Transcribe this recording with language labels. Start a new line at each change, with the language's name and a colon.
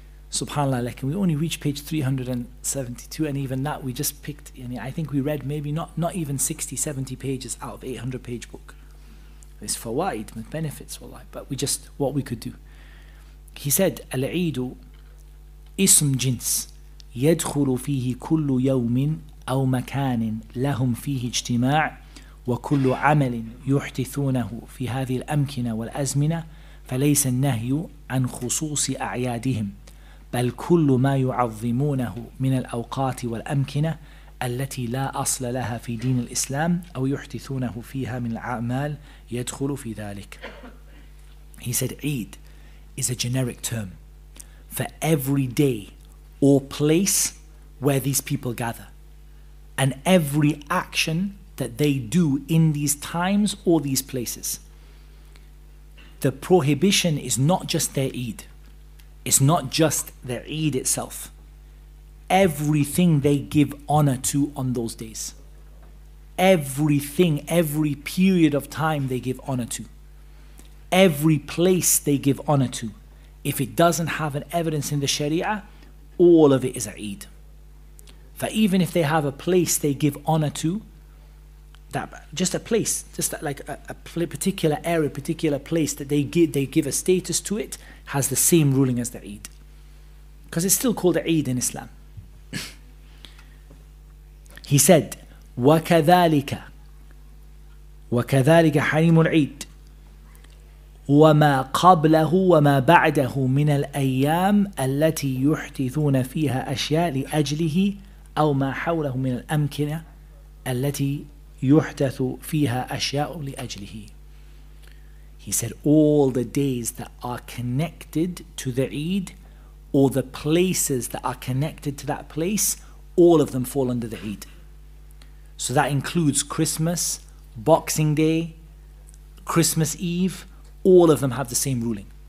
English: SubhanAllah, like, and we only reached page 372, and even that, we just picked, I think we read maybe not even 60, 70 pages out of 800 page book. It's fawaid, with benefits, wallahi, but we just, what we could do. He said,
Arabic: Al-Eidu, ism jins, يدخل فيه كل يوم أو مكان لهم فيه اجتماع وكل عمل يحدثونه في هذه الأمكنة والأزمنة فليس النهي عن خصوص أعيادهم بل كل ما يعظمونه من الأوقات والأمكنة التي لا أصل لها في دين الإسلام أو يحدثونه فيها من الأعمال يدخل في ذلك.
English: He said Eid is a generic term for every day or place where these people gather and every action that they do in these times or these places. The prohibition is not just their Eid. It's not just their Eid itself. Everything they give honor to on those days. Everything, every period of time they give honor to. Every place they give honor to. If it doesn't have an evidence in the Sharia, all of it is Eid. For even if they have a place they give honor to, that just a place, just like a particular area, particular place that they give a status to, it has the same ruling as the Eid, because it's still called Eid in Islam. He said,
Arabic: "وكذلك حريم العيد وما قبله وما بعده من الأيام التي يحدثون فيها أشياء لأجله أو ما حوله من الأمكنة التي يحدث فيها أشياء لأجله."
English: He said all the days that are connected to the Eid or the places that are connected to that place, all of them fall under the Eid. So that includes Christmas, Boxing Day, Christmas Eve, all of them have the same ruling.